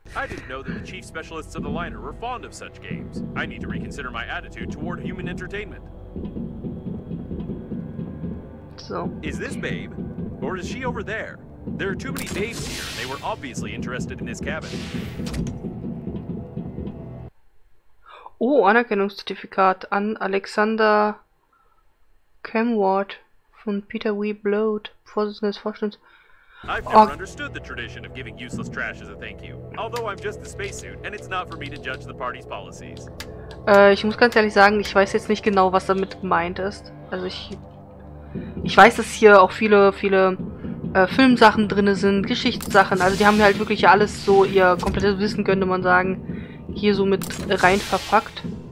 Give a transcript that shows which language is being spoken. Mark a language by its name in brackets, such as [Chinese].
[English] I didn't know that the chief specialists of the liner were fond of such games. I need to reconsider my attitude toward human entertainment. So. Is this Babe? Or is she over there? There are too many babes here, and they were obviously interested in this cabin. [German] Oh, Anerkennungszertifikat an Alexander Camward von Peter Wee Bloat, Vorsitzender des Vorstands. [English] I've never understood the tradition of giving useless trash as a thank you. Although I'm just the spacesuit and it's not for me to judge the party's policies. [German] Ich muss ganz ehrlich sagen, ich weiß jetzt nicht genau, was damit gemeint ist. Also ich weiß, dass hier auch viele Filmsachen drinne sind, Geschichtssachen. Also die haben ja halt wirklich alles so ihr komplettes Wissen, könnte man sagen, hier so mit rein verpackt.